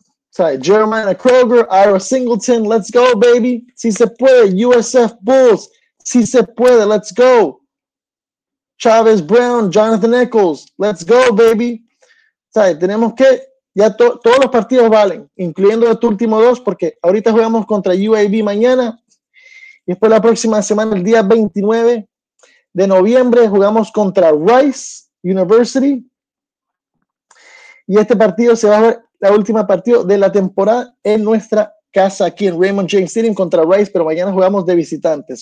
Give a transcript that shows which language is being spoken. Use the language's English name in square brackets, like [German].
[English] Sorry, Jeremiah Kroger, Ira Singleton, let's go, baby. [Spanish] Si se puede, USF Bulls, si se puede, [English] let's go. Chavez Brown, Jonathan Echols, let's go, baby. [Spanish] Sorry, tenemos que, ya todos los partidos valen, incluyendo los últimos dos, porque ahorita jugamos contra UAB mañana, y después la próxima semana, el día 29 de noviembre, jugamos contra Rice University, y este partido se va a ver, la última partido de la temporada en nuestra casa aquí en Raymond James Stadium contra Rice, pero mañana jugamos de visitante.